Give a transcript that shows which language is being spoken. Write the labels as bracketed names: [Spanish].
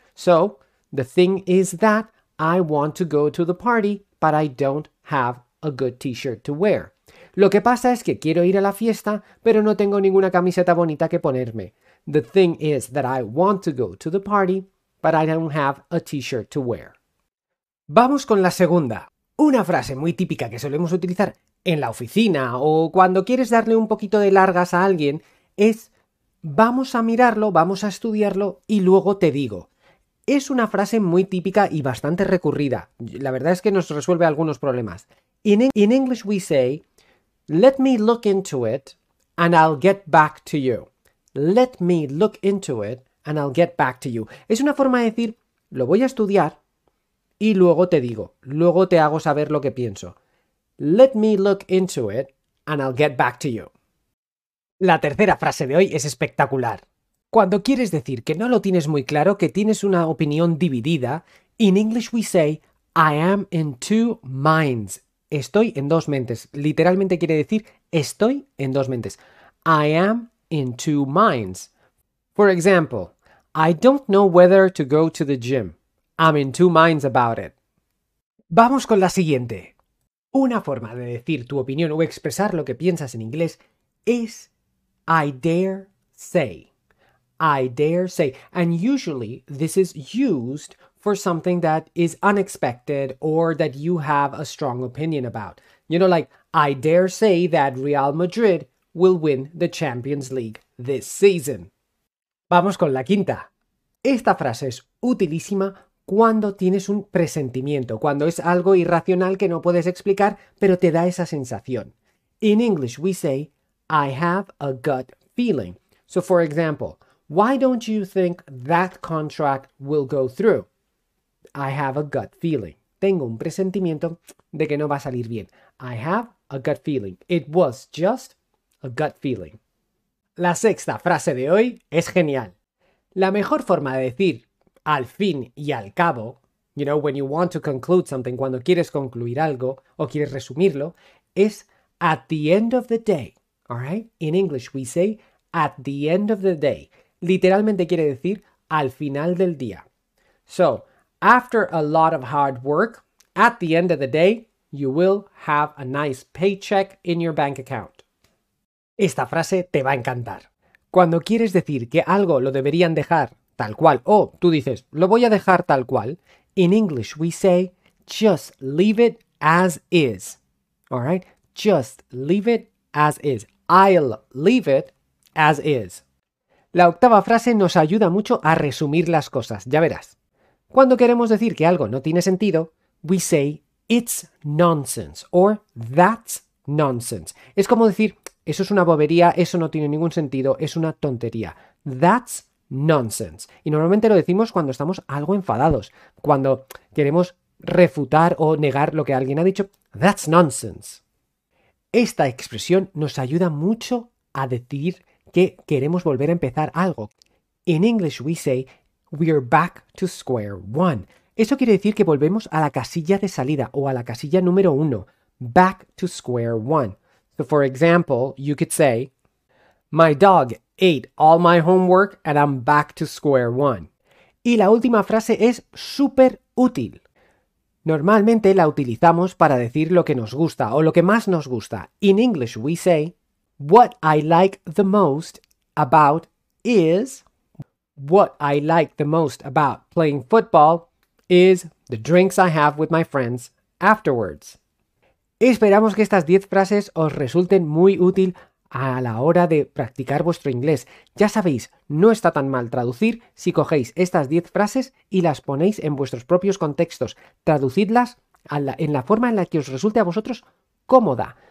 [English] So, the thing is that I want to go to the party, but I don't have a good t-shirt to wear. [Spanish] Lo que pasa es que quiero ir a la fiesta, pero no tengo ninguna camiseta bonita que ponerme. [English] The thing is that I want to go to the party, but I don't have a t-shirt to wear. [Spanish] Vamos con la segunda. Una frase muy típica que solemos utilizar en la oficina o cuando quieres darle un poquito de largas a alguien es vamos a mirarlo, vamos a estudiarlo y luego te digo. Es una frase muy típica y bastante recurrida. La verdad es que nos resuelve algunos problemas. [English] In English we say, let me look into it and I'll get back to you. Let me look into it and I'll get back to you. [Spanish] Es una forma de decir, lo voy a estudiar y luego te digo, luego te hago saber lo que pienso. [English] Let me look into it and I'll get back to you. [Spanish] La tercera frase de hoy es espectacular. Cuando quieres decir que no lo tienes muy claro, que tienes una opinión dividida, [English] in English we say, I am in two minds. [Spanish] Estoy en dos mentes. Literalmente quiere decir, estoy en dos mentes. [English] I am in two minds. For example, I don't know whether to go to the gym. I'm in two minds about it. [Spanish] Vamos con la siguiente. Una forma de decir tu opinión o expresar lo que piensas en inglés es [English] I dare say. I dare say. And usually this is used for something that is unexpected or that you have a strong opinion about. You know, like, I dare say that Real Madrid will win the Champions League this season. [Spanish] Vamos con la quinta. Esta frase es utilísima cuando tienes un presentimiento, cuando es algo irracional que no puedes explicar, pero te da esa sensación. [English] In English we say, I have a gut feeling. So for example, why don't you think that contract will go through? I have a gut feeling. [Spanish] Tengo un presentimiento de que no va a salir bien. [English] I have a gut feeling. It was just a gut feeling. [Spanish] La sexta frase de hoy es genial. La mejor forma de decir al fin y al cabo, [English] you know, when you want to conclude something, [Spanish] cuando quieres concluir algo o quieres resumirlo, es [English] at the end of the day. All right? In English we say at the end of the day. [Spanish] Literalmente quiere decir al final del día. [English] So, after a lot of hard work, at the end of the day, you will have a nice paycheck in your bank account. [Spanish] Esta frase te va a encantar. Cuando quieres decir que algo lo deberían dejar tal cual, o tú dices, lo voy a dejar tal cual, [English] In English, we say, just leave it as is. All right? Just leave it as is. I'll leave it as is. [Spanish] La octava frase nos ayuda mucho a resumir las cosas, ya verás. Cuando queremos decir que algo no tiene sentido, [English] we say, it's nonsense, or that's nonsense. [Spanish] Es como decir, eso es una bobería, eso no tiene ningún sentido, es una tontería. [English] That's nonsense. [Spanish] Y normalmente lo decimos cuando estamos algo enfadados, cuando queremos refutar o negar lo que alguien ha dicho. [English] That's nonsense. [Spanish] Esta expresión nos ayuda mucho a decir que queremos volver a empezar algo. [English] In English we say, we're back to square one. [Spanish] Eso quiere decir que volvemos a la casilla de salida o a la casilla número uno. [English] Back to square one. So for example, you could say, my dog ate all my homework and I'm back to square one. [Spanish] Y la última frase es súper útil. Normalmente la utilizamos para decir lo que nos gusta o lo que más nos gusta. [English] In English we say, what I like the most about is, what I like the most about playing football is the drinks I have with my friends afterwards. [Spanish] Esperamos que estas 10 frases os resulten muy útil a la hora de practicar vuestro inglés. Ya sabéis, no está tan mal traducir si cogéis estas 10 frases y las ponéis en vuestros propios contextos. Traducidlas en la forma en la que os resulte a vosotros cómoda.